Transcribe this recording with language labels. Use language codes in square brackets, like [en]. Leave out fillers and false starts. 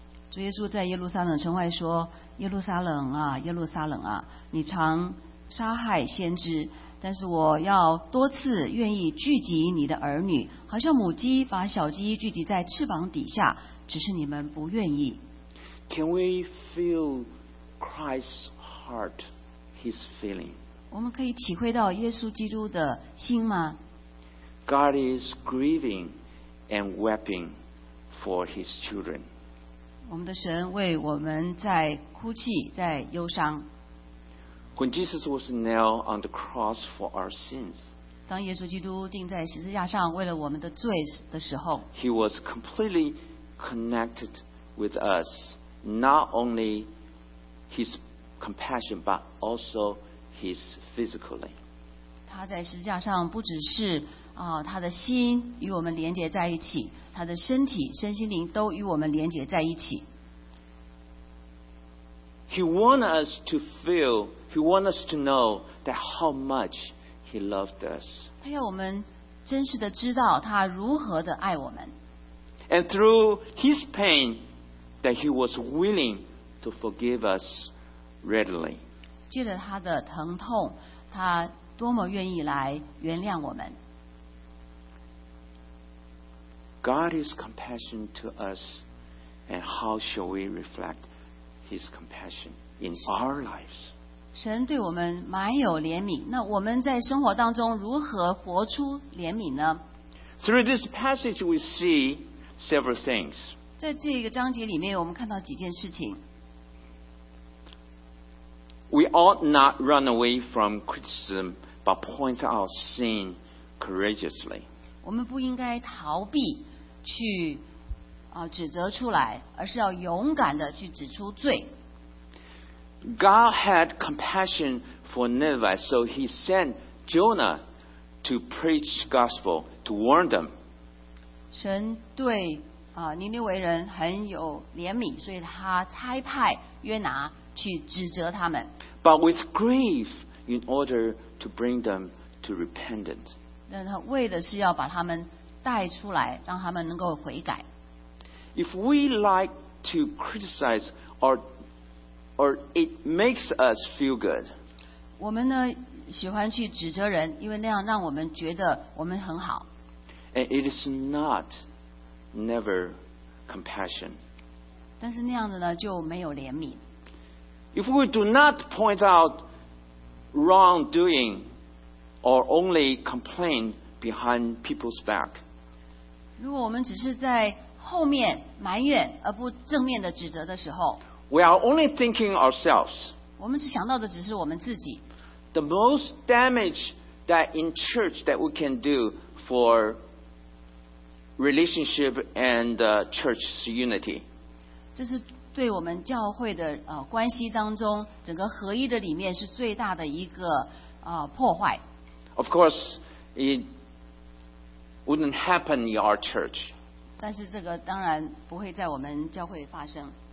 [zh] 主耶稣在耶路撒冷城外说，耶路撒冷啊，耶路撒冷啊，你常杀害先知，但是我要多次愿意聚集你的儿女，好像母鸡把小鸡聚集在翅膀底下，只是你们不愿意。 [en] Can we feel Christ's heart, his feeling? [zh] 我们可以体会到耶稣基督的心吗？ [en] God is grieving and weeping for his children. [zh] 我们的神为我们在哭泣，在忧伤。 [en] When Jesus was nailed on the cross for our sins, [zh] 当耶稣基督钉在十字架上为了我们的罪的时候， [en] He was completely connected with us, not only his compassion, but also his physically. [zh] 他在十字架上不只是他的心与我们连接在一起，他的身体、身心灵都与我们连接在一起。 [en] He wants us to know that how much he loved us. [zh] 他要我们真实的知道他如何的爱我们。 [en] And through his pain, that he was willing to forgive us readily. [zh] 借着他的疼痛，他多么愿意来原谅我们。 [en] God is compassion to us, and how shall we reflect his compassion in our lives? [zh] 神对我们满有怜悯，那我们在生活当中如何活出怜悯呢？ [en] Through this passage we see several things. [zh] 在这个章节里面我们看到几件事情。 [en] We ought not run away from criticism, but point out sin courageously. [zh] 我们不应该逃避去指责出来，而是要勇敢的去指出罪。 [en] God had compassion for Nineveh, so he sent Jonah to preach gospel to warn them. [zh] 神对尼尼微人很有怜悯，所以他差派约拿去指责他们。 [en] But with grief in order to bring them to repentance. [zh] 那他为的是要把他们带出来，让他们能够悔改。 [en] If we like to criticize or it makes us feel good. [zh] 我们呢喜欢去指责人，因为那样让我们觉得我们很好。 [en] And it is not never compassion. [zh] 但是那样的呢就没有怜悯。 [en] If we do not point out wrongdoing or only complain behind people's back. [zh] 如果我们只是在后面埋怨而不正面的指责的时候， [en] We are only thinking ourselves. [zh] 我们只想到的只是我们自己。 [en] The most damage that in church that we can do for relationship and church's unity. [zh] 这是对我们教会的关系当中整个合一的里面是最大的一个破坏。 [en] Of course, it wouldn't happen in our church. [zh] 但是这个当然不会在我们教会发生。